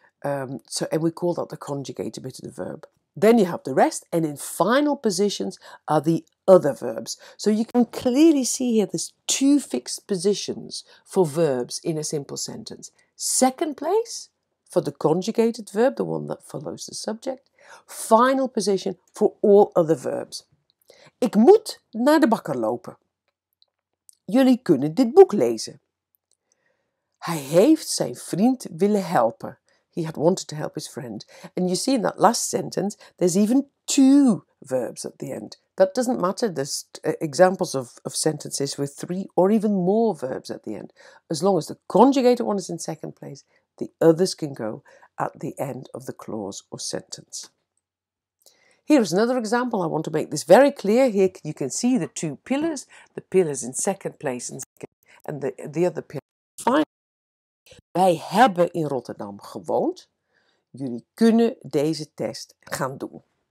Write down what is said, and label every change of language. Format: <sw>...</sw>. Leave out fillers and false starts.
<en>And we call that the conjugated bit of the verb. Then you have the rest, and in final positions are the other verbs. So you can clearly see here there's two fixed positions for verbs in a simple sentence. Second place for the conjugated verb, the one that follows the subject. Final position for all other verbs.</en> <nl>Ik moet naar de bakker lopen. Jullie kunnen dit boek lezen. Hij heeft zijn vriend willen helpen.</nl> <en>He had wanted to help his friend. And you see in that last sentence, there's even two verbs at the end. That doesn't matter. There's examples of sentences with three or even more verbs at the end. As long as the conjugated one is in second place, the others can go at the end of the clause or sentence. Here is another example. I want to make this very clear. Here you can see the two pillars. The pillars in second place and the other pillar.</en> <nl>Wij hebben in Rotterdam gewoond. Jullie kunnen deze test gaan doen.</nl>